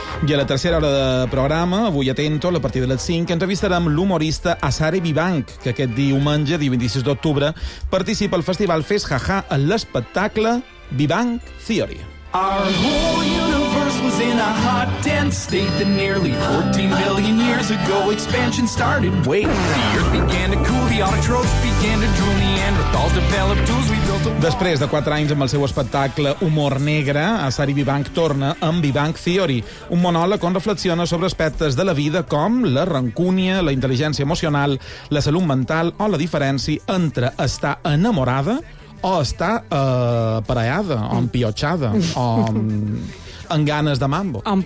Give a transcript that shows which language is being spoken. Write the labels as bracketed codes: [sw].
[ca] I a la tercera hora de programa, avui atento, a partir de les 5, entrevistarem l'humorista Asari Vivanc, que aquest diumenge, dia 26 d'octubre, participa al festival Fes Jaja en l'espectacle Vivanc Theory. [en] Our whole universe was in a hot, dense state that nearly 14 billion years ago expansion started. Wait, the earth began to cool, the autotrophs began to drool, Neanderthals developed tools, we built a... [ca] Després de 4 anys amb el seu espectacle Humor Negre, Asari Vivanc torna amb Vivanc Theory, un monòleg on reflexiona sobre aspectes de la vida com la rancúnia, la intel·ligència emocional, la salut mental o la diferència entre estar enamorada o està aparellada, o empiotxada, o amb ganes de mambo.